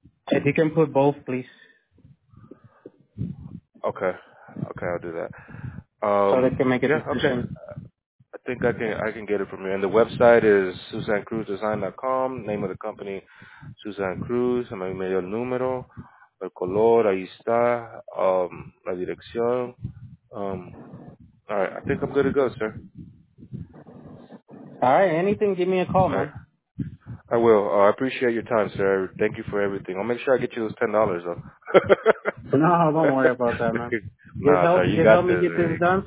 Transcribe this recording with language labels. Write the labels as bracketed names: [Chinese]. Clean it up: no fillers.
[English] If you can put both, please. Okay, I'll do that. So they can make a decision. Okay. I think I can get it from you. And the website is SusanCruzDesign.com, name of the company, Susan Cruz, and my email número. [Spanish] El color, ahí está, la dirección. [English] All right, I think I'm good to go, sir. All right, anything, give me a call, man. I will. I appreciate your time, sir. Thank you for everything. I'll make sure I get you those $10, though. No, don't worry about that, man. You help me get this done